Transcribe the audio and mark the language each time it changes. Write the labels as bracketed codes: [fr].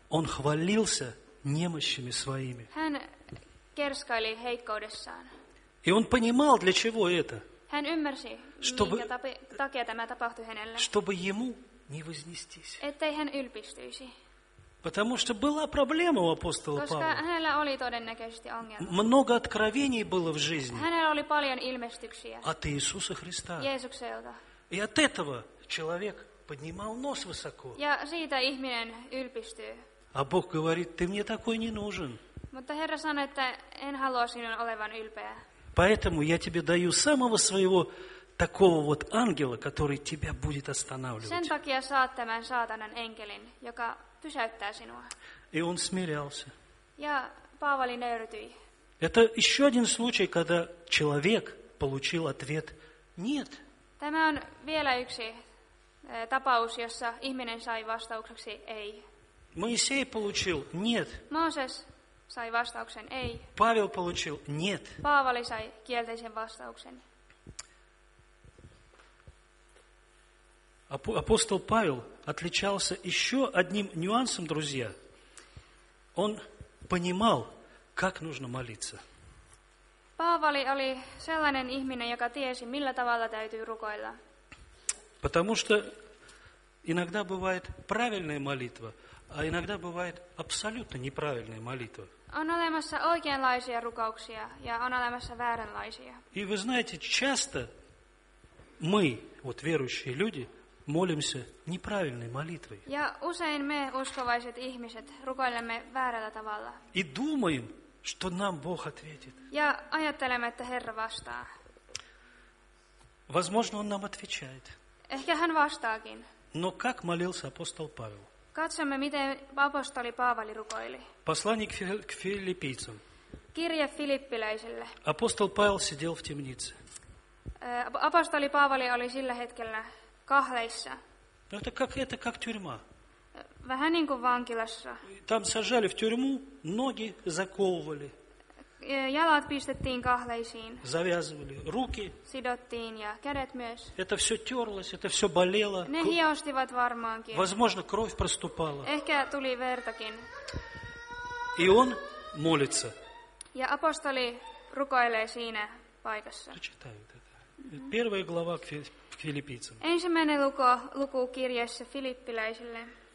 [ru] Он хвалился немощами своими. [fi] Hän kerskaili heikkoudessaan. [ru] И он понимал, для чего это. [fi] Hän ymmärsi, чтобы, minkä takia tämä tapahtui hänelle. [ru] Чтобы ему не вознестись. [fi] Ettei hän ylpistyisi. [ru] Потому что была проблема у апостола Павла. [fi] Koska hänellä oli todennäköisesti ongelma. [ru] Много откровений было в жизни. [fi] Hänellä oli paljon ilmestyksiä. [ru] От Иисуса Христа. [fi] Jeesukselta. [ru] И от этого человек поднимал нос высоко. [fi] Ja siitä ihminen ylpistyy. [ru] А Бог говорит: ты мне такой не нужен. [fi] Mutta Herra sanoi, että en halua sinun olevan ylpeä. [ru] Поэтому я тебе даю самого своего такого вот ангела, который тебя будет останавливать. [fi] Sen takia saat tämän saatanan enkelin, joka pysäyttää sinua. [ru] И он смирялся. [fi] Ja Paavali nöyrtyi. [ru] Это еще один случай, когда человек получил ответ: нет. [fi] Tämä on vielä yksi tapaus, jossa ihminen sai vastaukseksi ei. [ru] Моисей получил: нет. [fi] Mooses sai vastauksen ei. [ru] Павел получил: нет. [fi] Paavali sai kielteisen vastauksen. [ru] Апостол Павел отличался еще одним нюансом, друзья. Он понимал, как нужно молиться. [fi] Paavali oli sellainen ihminen, joka tiesi, millä tavalla täytyy rukoilla. [ru] Потому что иногда бывает правильная молитва, а иногда бывает абсолютно неправильная молитва. [fi] On olemassa oikeanlaisia rukouksia ja on olemassa vääränlaisia. [ru] И вы знаете, часто мы, вот верующие люди, молимся неправильной молитвой. [fi] Ja usein me uskovaiset ihmiset rukoilemme väärällä tavalla. [ru] И думаем, что нам Бог ответит. [fi] Ja ajattelemme, että Herra vastaa. [ru] Возможно, он нам отвечает. [fi] Ehkä hän vastaakin. [ru] Но как молился апостол Павел? [fi] Katsomme, miten apostoli Paavali rukoili. [ru] Послание к филиппийцам. [fi] Kirje filippiläisille. [ru] Апостол Павел сидел в темнице. [fi] Апостоли Paavali oli sillä hetkellä kahleissa. [ru] No, это как тюрьма. [fi] Vähän niin kuin vankilassa. [ru] Там сажали в тюрьму, ноги заковывали. [fi] Jalat pistettiin kahleisiin. [ru] Завязывали руки. [fi] Sidottiin ja kädet myös. [ru] Это все терлось, это все болело. [fi] Ne hiostivat varmaankin. [ru] Возможно, кровь проступала. [fi] Ehkä tuli vertakin. [ru] И он молится. [fi] Ja апостоли rukoilee siinä paikassa. [ru] Первая глава к филиппийцам. [fi] Ensimmäinen luku kirjassa filippiläisille.